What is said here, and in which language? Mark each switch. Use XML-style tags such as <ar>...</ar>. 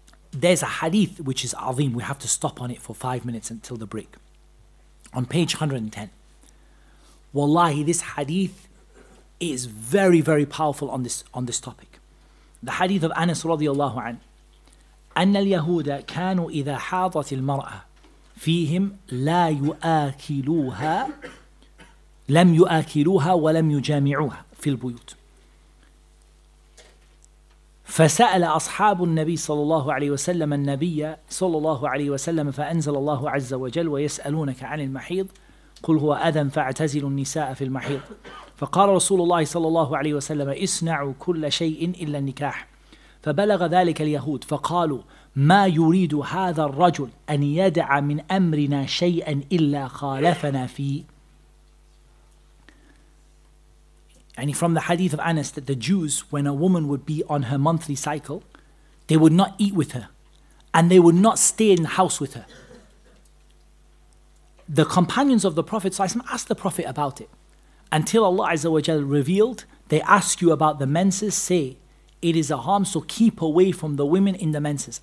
<en>There's a hadith which is azim. We have to stop on it for 5 minutes until the break. On page 110. Wallahi, this hadith is very, very powerful on this topic. The hadith of Anas</en> <ar>radiallahu an. أن اليهود كانوا إذا حاضت المرأة فيهم لا يؤكلوها لم يؤكلوها ولم يجامعوها في البيوت فسأل أصحاب النبي صلى الله عليه وسلم النبي صلى الله عليه وسلم فأنزل الله عز وجل ويسألونك عن المحيض قل هو أذى فاعتزلوا النساء في المحيض فقال رسول الله صلى الله عليه وسلم اصنعوا كل شيء إلا النكاح فبلغ ذلك اليهود فقالوا ما يريد هذا الرجل أن يدع من أمرنا شيئا إلا خالفنا فيه.</ar> <en>And from the hadith of Anas that the Jews, when a woman would be on her monthly cycle, they would not eat with her and they would not stay in the house with her. The companions of the Prophet ﷺ asked the Prophet about it. Until Allah Azza wa Jal revealed, they ask you about the menses, say, it is a harm, so keep away from the women in the menses.</en>